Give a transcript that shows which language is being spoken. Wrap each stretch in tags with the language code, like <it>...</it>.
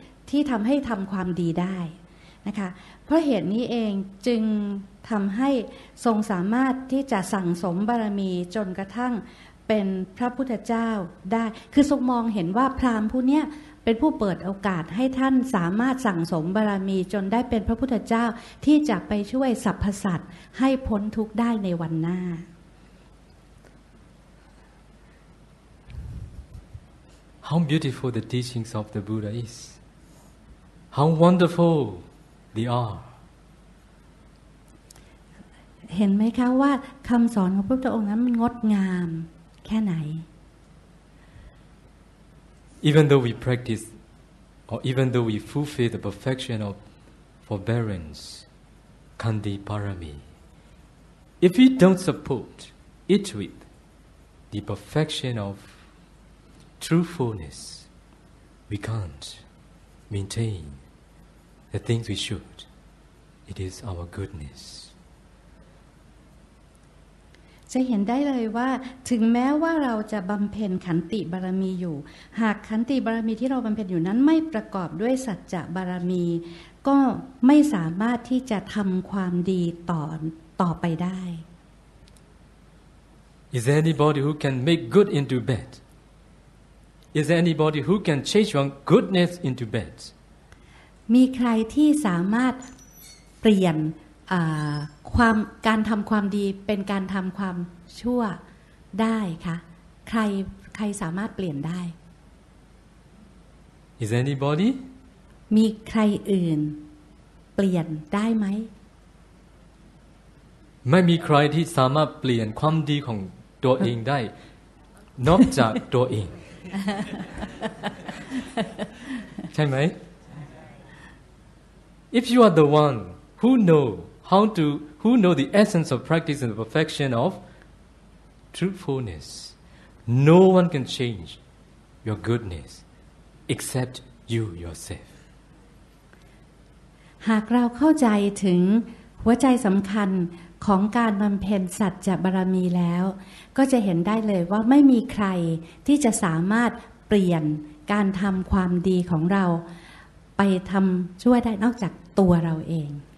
<th>ที่ทำให้ทำความดีได้นะคะเพราะเหตุนี้เองจึงทำให้ทรงสามารถที่จะสั่งสมบารมีจนกระทั่งเป็นพระพุทธเจ้าได้คือทรงมองเห็นว่าพราหมณ์ผู้นี้เป็นผู้เปิดโอกาสให้ท่านสามารถสั่งสมบารมีจนได้เป็นพระพุทธเจ้าที่จะไปช่วยสรรพสัตว์ให้พ้นทุกข์ได้ในวันหน้า</th> <en>How beautiful the teachings of the Buddha is. How wonderful they are</en> <th>เห็นไหมคะว่าคำสอนของพระพุทธองค์นั้นมันงดงามแค่ไหน</th> <en>Even though we practice or even though we fulfill the perfection of forbearance Khandi Parami if we don't support it with the perfection of truthfulness we can't maintain the things we should it is our goodness</en> <th>จะเห็นได้เลยว่าถึงแม้ว่าเราจะบำเพ็ญขันติบารมีอยู่หากขันติบารมีที่เราบำเพ็ญอยู่นั้นไม่ประกอบด้วยสัจจะบารมีก็ไม่สามารถที่จะทำความดีต่อไปได้</th> <en>Is there anybody who can make good into bad? Is there anybody who can change one goodness into bad?</en> <th>มีใครที่สามารถเปลี่ยนความการทำความดีเป็นการทำความชั่วได้คะใครสามารถเปลี่ยนได้</th> <en>Is anybody</en> <th>มีใครอื่นเปลี่ยนได้ไหม ไม่มีใครที่สามารถเปลี่ยนความดีของตัวเองได้ นอกจากตัวเอง ใช่ไหม</th> <en>If you are the one who knowwho know the essence of practice and the perfection of truthfulness. No one can change your goodness except you yourself.</en> <th>หากเราเข้าใจถึงหัวใจสำคัญของการบำเพ็ญสัจจะบารมีแล้วก็จะเห็นได้เลยว่าไม่มีใครที่จะสามารถเปลี่ยนการทำความดีของเราไปทำช่วยได้นอกจากตัวเราเอง</th>